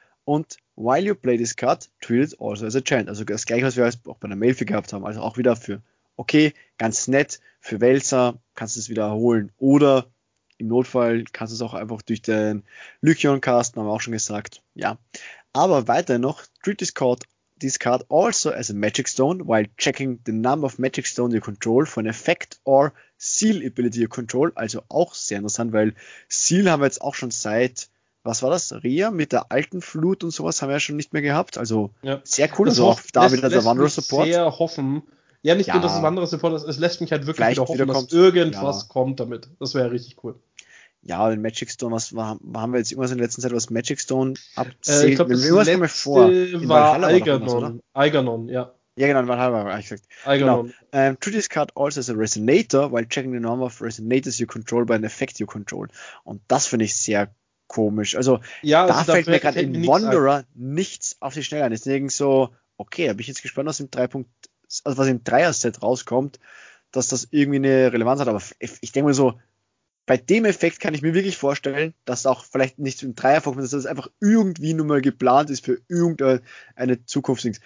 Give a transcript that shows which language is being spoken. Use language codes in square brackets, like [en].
[en] Und while you play this card, treat it also as a chant. [de] Also das gleiche, was wir auch bei der Melfi gehabt haben. Also auch wieder für, okay, ganz nett, für Wälzer kannst du es wiederholen. Oder im Notfall kannst du es auch einfach durch den Lycion casten, haben wir auch schon gesagt. Ja. Aber weiter noch, treat this card [en] this card also as a magic stone while checking the number of magic stones you control for an effect or seal ability you control. [de] Also auch sehr interessant, weil Seal haben wir jetzt auch schon seit, was war das, Rhea mit der alten Flut und sowas haben wir ja schon nicht mehr gehabt. Also ja, sehr cool, also auch da wieder der Wanderer Support. Sehr hoffen. Ja, nicht ja, nur, dass es Wanderer Support ist, es lässt mich halt wirklich wieder hoffen, dass irgendwas ja kommt damit. Das wäre richtig cool. Ja, den Magic Stone, was war, haben wir jetzt irgendwas in der letzten Zeit, was Magic Stone abzählt? Ich glaube, das letzte vor, war Algernon. Algernon, ja. Ja, genau, in Valhalla, habe ich gesagt. Algernon. Genau. [en] Treat this card also as a Resonator, while checking the number of Resonators you control by an effect you control. [de] Und das finde ich sehr komisch. Also, ja, also da fällt mir gerade in Wanderer nichts auf die Schnelle ein. Deswegen so, okay, da bin ich jetzt gespannt, was im 3-Punkt, also was im 3er-Set rauskommt, dass das irgendwie eine Relevanz hat. Aber ich denke mal so, bei dem Effekt kann ich mir wirklich vorstellen, dass auch vielleicht nicht im Dreier vorkommt, dass das einfach irgendwie nun mal geplant ist für irgendeine Zukunft.